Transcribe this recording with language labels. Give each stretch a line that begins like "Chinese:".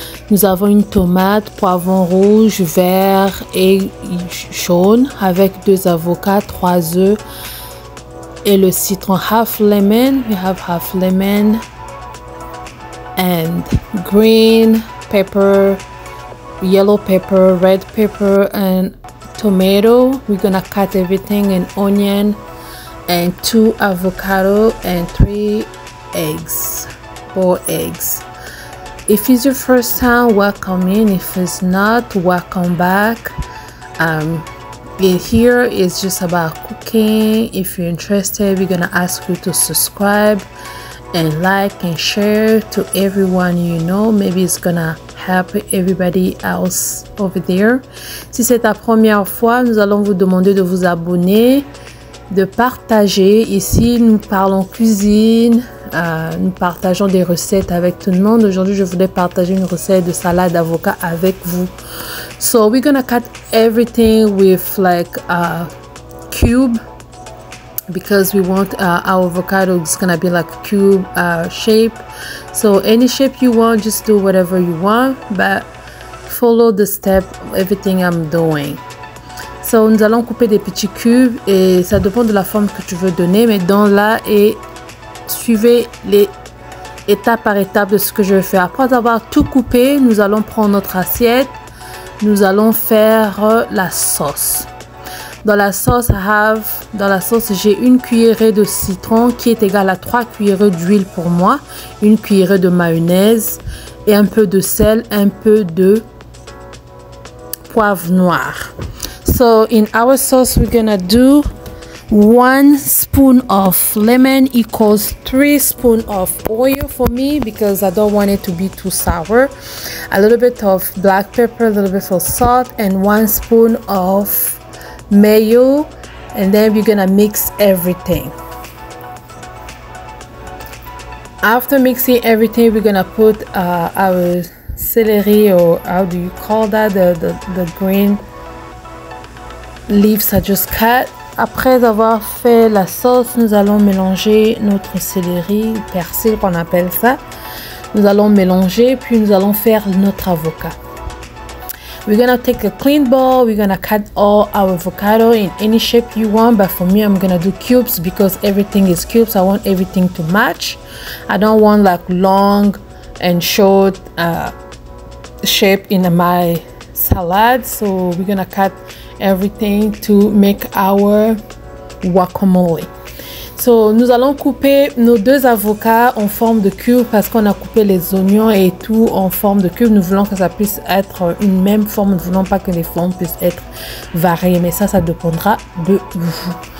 French: Nous avons une tomate, poivron rouge, vert et jaune avec deux avocats, trois œufs et le citron.
English: Half lemon, we have half lemon and green pepper, yellow pepper, red pepper and tomato. We're gonna cut everything and onion and two avocado and three eggs, four eggs. If it's your first time, welcome in. If it's not, welcome back. Here is just about cooking. If you're interested, we're gonna ask you to subscribe and like and share to everyone you know. Maybe it's gonna help everybody else over there.
French: Si c'est ta première fois, nous allons vous demander de vous abonner, de partager. Ici, nous parlons cuisine. Nous partageons des recettes avec tout le monde. Aujourd'hui, je voulais partager une recette de salade d'avocat avec vous.
English: So, we're gonna cut everything with like a cube because we want our avocado is gonna be like a cube shape. So, any shape you want, just do whatever you want, but follow the step of everything I'm doing.
French: So, nous allons couper des petits cubes et ça dépend de la forme que tu veux donner, mais dans là et suivez les étapes par étape de ce que je vais faire. Après avoir tout coupé, nous allons prendre notre assiette. Nous allons faire la sauce. Dans la sauce, j'ai une cuillerée de citron qui est égale à 3 cuillerées d'huile pour moi, une cuillerée de mayonnaise et un peu de sel, un peu de poivre noir.
English: So in our sauce, we're gonna do 1 spoon of lemon equals 3 spoon of oil for me because I don't want it to be too sour. A little bit of black pepper, a little bit of salt, and 1 spoon of mayo. And then we're gonna mix everything. After mixing everything, we're gonna put our celery, or how do you call that? The green leaves I just cut.
French: Après avoir fait la sauce, nous allons mélanger notre céleri, persil qu'on appelle ça. Nous allons mélanger, puis nous allons faire notre avocat.
English: We're gonna take a clean bowl, we're gonna cut all our avocado in any shape you want, but for me, I'm gonna do cubes because everything is cubes. I want everything to match. I don't want like long and short shape in my salad, so we're gonna cut everything to make our guacamole.
French: So nous allons couper nos deux avocats en forme de cube parce qu'on a coupé les oignons et tout en forme de cube. Nous voulons que ça puisse être une même forme. Nous voulons pas que les formes puissent être variées, mais ça dépendra de vous.